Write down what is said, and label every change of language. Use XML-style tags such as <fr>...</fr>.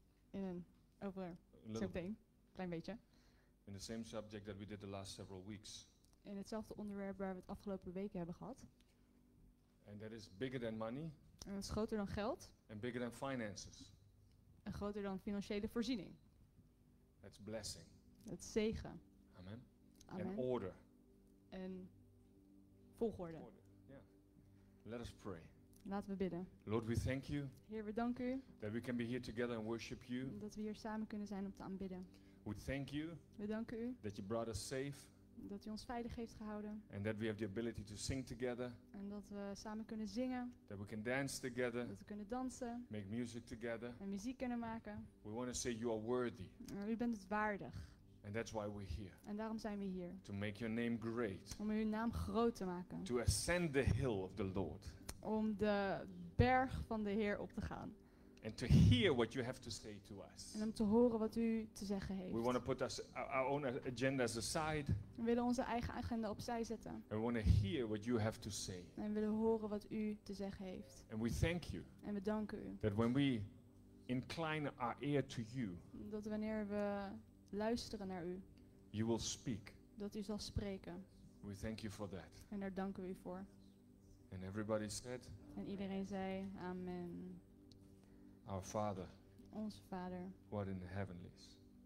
<nl>In een over zometeen, klein beetje.</nl> <en>In the same subject that we did the last several weeks.</en> <nl>In hetzelfde onderwerp waar we het afgelopen weken hebben gehad.</nl> <en>And that is bigger than money.</en> <nl>En dat is groter dan geld.</nl> <en>And bigger than finances.</en> <nl>En groter dan financiële voorziening.</nl> <en>That's blessing.</en> <nl>Dat is zegen. Amen. Amen.</nl> <en>And order.</en> <nl>En volgorde.</nl> <en>Yeah. Let us pray.</en> <nl>Laten we bidden.</nl> <en>Lord, we thank you.</en> <nl>Heer, we danken u.</nl> <en>That we can be here together and worship you.</en> <nl>Dat we hier samen kunnen zijn om te aanbidden.</nl> <en>We thank you.</en> <nl>We danken u.</nl> <en>That you brought us safe.</en> <nl>Dat u ons veilig heeft gehouden.</nl> <en>And that we have the ability to sing together.</en> <nl>En dat we samen kunnen zingen.</nl> <en>That we can dance together.</en> <nl>Dat we kunnen dansen.</nl> <en>Make music together.</en> <nl>En muziek kunnen maken.</nl> <en>We want to say you are worthy.</en> <nl>U bent het waardig.</nl> <en>And that's why we're here.</en> <nl>En daarom zijn we hier.</nl> <en>To make your name great.</en> <nl>Om uw naam groot te maken.</nl> <en>To ascend the hill of the Lord.</en> <nl>Om de berg van de Heer op te gaan.</nl> <en>And to hear what you have to say to us.</en> <nl>En om te horen wat u te zeggen heeft.</nl> <en>We want to put our own agendas aside.</en> <nl>We willen onze eigen agenda opzij zetten.</nl> <en>And we want to hear what you have to say.</en> <nl>En we willen horen wat u te zeggen heeft.</nl> <en>And we thank you.</en> <nl>En we danken u.</nl> <en>That when we incline our ear to you.</en> <nl>Dat wanneer we luisteren naar u.</nl> <en>You will speak.</en> <nl>Dat u zal spreken.</nl> <en>We thank you for that.</en> <nl>En daar danken we u voor.</nl> <en>And everybody said.</en> <nl>En iedereen zei amen.</nl> <en>Our Father.</en> <nl>Onze Vader.</nl> <en>Who art in the heavenlies.</en>